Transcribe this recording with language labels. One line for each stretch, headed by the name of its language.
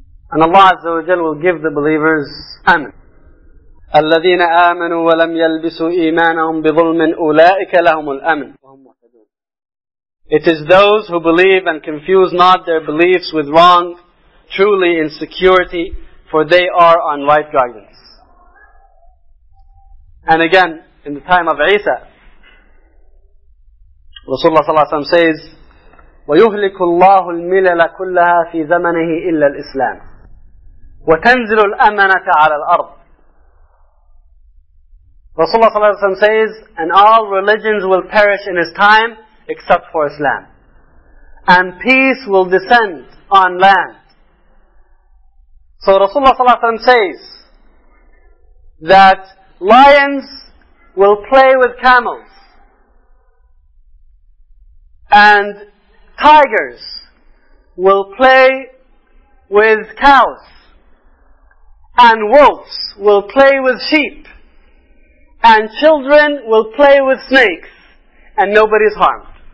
English: And Allah Azza wa Jalla will give the believers amen.
Arabic: الَّذِينَ آمَنُوا وَلَمْ يَلْبِسُوا إِيمَانَهُمْ بِظُلْمٍ أُولَٰئِكَ لَهُمُ الْأَمْنُ.
English: It is those who believe and confuse not their beliefs with wrong, truly in security, for they are on right guidance. And again, in the time of Isa, Rasulullah
Arabic: صلى الله عليه وسلم
English: says,
Arabic: وَيُهْلِكُ اللَّهُ الْمِلَلَ كُلَّهَا فِي زَمَنِهِ إِلَّا الْإِسْلَامِ وَتَنْزِلُ الْأَمَنَةَ عَلَى الْأَرْضِ.
English: Rasulullah
Arabic: صلى الله عليه وسلم
English: says, and all religions will perish in his time except for Islam. And peace will descend on land. So Rasulullah
Arabic: صلى الله عليه وسلم
English: says that lions will play with camels and tigers will play with cows and wolves will play with sheep and children will play with snakes and nobody's harmed.